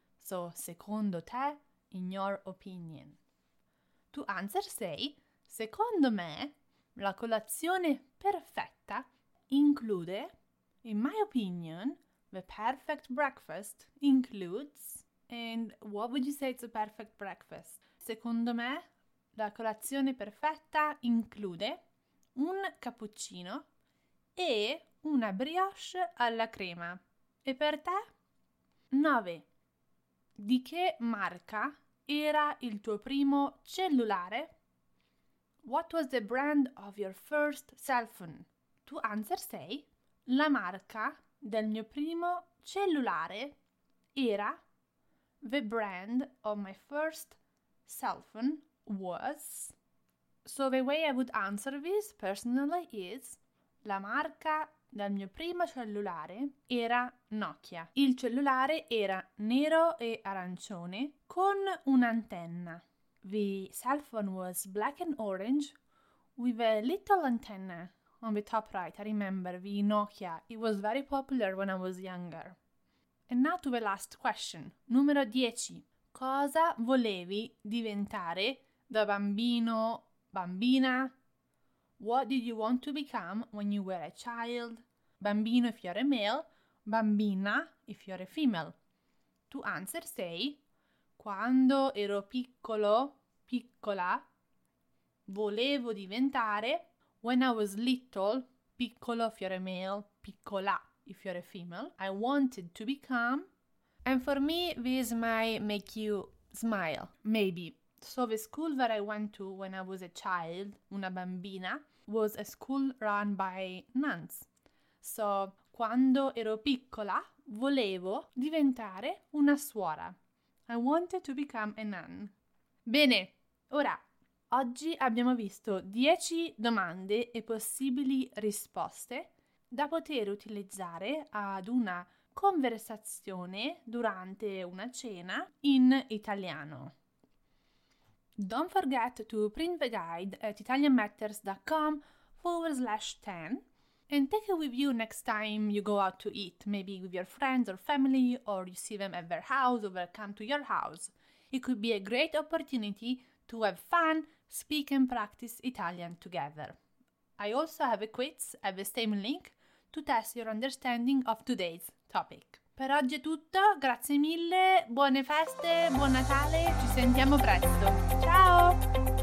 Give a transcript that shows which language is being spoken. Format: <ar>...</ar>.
<en>So, secondo te, in your opinion. To answer, say, secondo me, la colazione perfetta include, in my opinion, the perfect breakfast includes, and what would you say it's a perfect breakfast?</en> <it>Secondo me, la colazione perfetta include un cappuccino e una brioche alla crema. E per te? 9. Di che marca era il tuo primo cellulare?</it> <en>What was the brand of your first cell phone? To answer, say, la marca del mio primo cellulare era, the brand of my first cell phone was. So the way I would answer this personally is, la marca dal mio primo cellulare era Nokia.</en> <it>Il cellulare era nero e arancione con un'antenna.</it> <en>The cell phone was black and orange with a little antenna on the top right. I remember the Nokia. It was very popular when I was younger. And now to the last question. Numero 10.</en> <it>Cosa volevi diventare da bambino, bambina?</it> <en>What did you want to become when you were a child? Bambino if you're a male, bambina if you're a female. To answer, say, quando ero piccolo, piccola, volevo diventare, when I was little, piccolo if you're a male, piccola if you're a female, I wanted to become. And for me, this might make you smile, maybe. So the school that I went to when I was a child, una bambina, was a school run by nuns.</en> <it>So, quando ero piccola, volevo diventare una suora. I wanted to become a nun. Bene, ora, oggi abbiamo visto 10 domande e possibili risposte da poter utilizzare ad una conversazione durante una cena in italiano.</it> <en>Don't forget to print the guide at italianmatters.com/10. And take it with you next time you go out to eat, maybe with your friends or family, or you see them at their house or they come to your house. It could be a great opportunity to have fun, speak and practice Italian together. I also have a quiz at the same link to test your understanding of today's topic.</en> <it>Per oggi è tutto, grazie mille, buone feste, buon Natale, ci sentiamo presto. Ciao!</it>